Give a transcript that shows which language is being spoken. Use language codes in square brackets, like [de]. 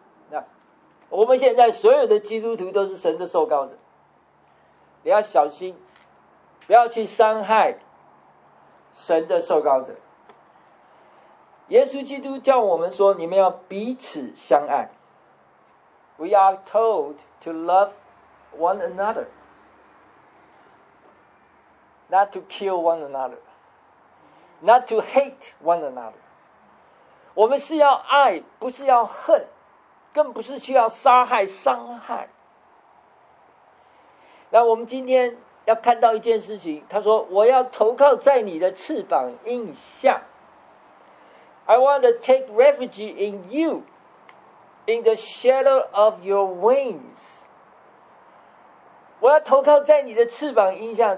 [zh] 那我们现在所有的基督徒都是神的受膏者，你要小心不要去伤害神的受膏者。耶稣基督叫我们说，你们要彼此相爱。 [en] We are told to love one another, not to kill one another, not to hate one another. [zh] 我们是要爱，不是要恨，更不是需要杀害伤害。那我们今天要看到一件事情，他说，我要投靠在你的翅膀荫下。 [en] I want to take refuge in you. In the shadow of your wings， [zh] 我要投靠在你的翅膀荫下。